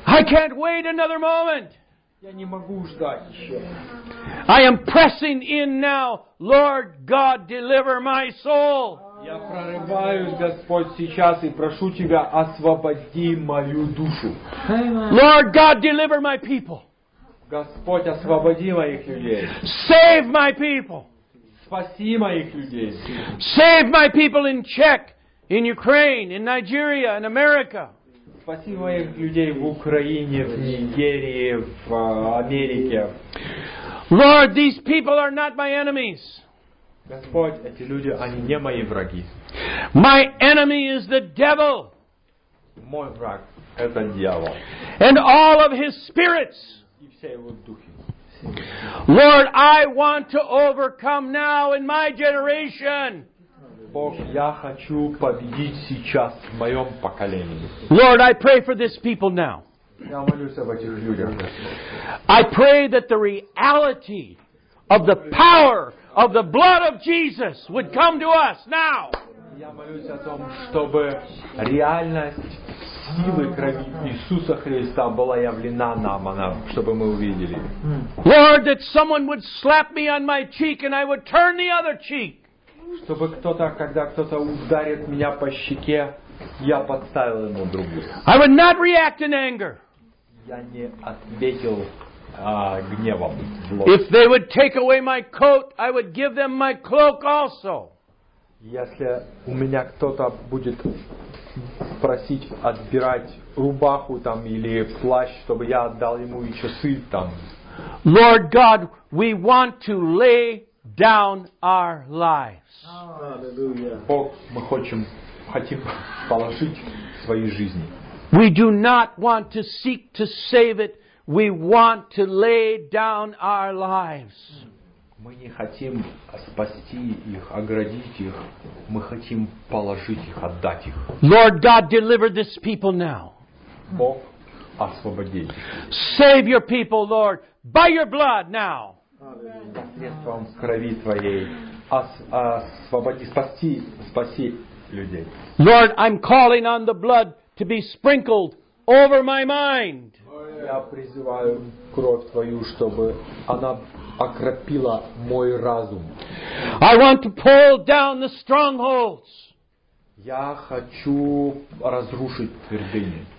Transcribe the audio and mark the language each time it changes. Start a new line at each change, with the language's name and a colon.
English: I can't wait another moment.
Russian: Я не могу ждать еще.
English: I am pressing in now, Lord God, deliver my soul.
Russian: Я прорываюсь, Господь, сейчас и прошу Тебя, освободи мою душу.
English: Lord God, deliver my people.
Russian: Господь, освободи моих людей.
English: Save my people.
Russian: Спаси моих людей.
English: Save my people in Czech, in Ukraine, in Nigeria, in America.
Russian: Спаси моих людей в Украине, в Нигерии, в Америке.
English: Lord, these people are not my enemies.
Russian: Господь, эти люди, они не мои враги.
English: My enemy is the devil.
Russian: Мой враг — это дьявол.
English: And all of his spirits.
Russian: И все его духи.
English: Lord, I want to overcome now in my generation.
Russian: Бог, я хочу победить сейчас в моем поколении.
English: Lord, I pray for this people now.
Russian: Я молюсь об этих людях.
English: I pray that the reality of the power of the blood of Jesus would come to us now.
Russian: Я молюсь о том, чтобы реальность силы крови Иисуса Христа была явлена нам, чтобы мы увидели.
English: Lord, that someone would slap me on my cheek and I would turn the other cheek.
Russian: Чтобы кто-то, когда кто-то ударит меня по щеке, я подставил ему другую.
English: I would not react in anger.
Russian: Я не ответил гневом.
English: If they would take away my coat, I would give them my cloak also.
Russian: Если у меня кто-то будет просить отбирать рубаху там или плащ, чтобы я отдал ему и часы там.
English: Lord God, we want to lay down our lives. Hallelujah.
Russian: Бог, мы хотим положить свои жизни.
English: We do not want to seek to save it. We want to lay down our lives.
Russian: Мы не хотим спасти их, оградить их. Мы хотим положить их, отдать их.
English: Lord God, deliver this people now.
Russian: Бог, освободи.
English: Save your people, Lord, by your blood now.
Russian: Посредством крови твоей освободи, спаси людей.
English: Lord, I'm calling on the blood to be sprinkled over my mind.
Russian: Я призываю кровь твою, чтобы она окропила мой разум.
English: I want to pull down the strongholds.
Russian: Я хочу разрушить твердыни.